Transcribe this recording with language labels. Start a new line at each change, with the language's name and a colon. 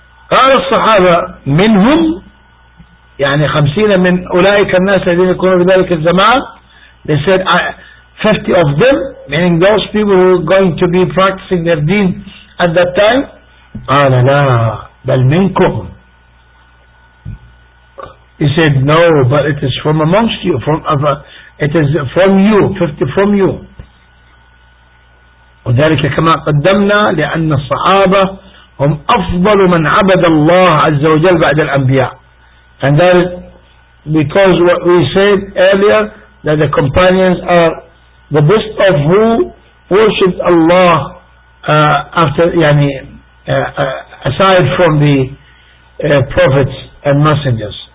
Arabic: قال الصحابة منهم, يعني خمسين من أولئك الناس الذين يكونوا في ذلك الزمان,
English: they said 50 of them, meaning those people who are going to be practicing their deen at that time.
Arabic: قال لا بل منكم,
English: he said no, but it is from amongst you, from it is from you, 50 from you.
Arabic: وذلك كما قدمنا لأن الصحابة هم أفضل من عبد الله عز وجل بعد الأنبياء.
English: And that is because what we said earlier, that the companions are the best of who worshipped Allah after, yani, aside from the prophets and messengers.